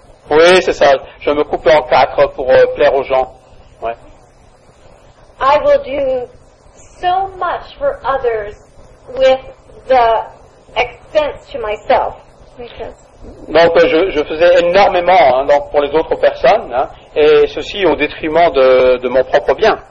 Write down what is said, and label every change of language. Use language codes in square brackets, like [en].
[fr] Oui c'est ça, je me coupe en quatre pour plaire aux gens. Ouais. [en] I will do so much for others. With the expense to myself. [fr] Donc je faisais énormément hein, donc pour les autres personnes hein, et ceci au détriment de mon propre bien.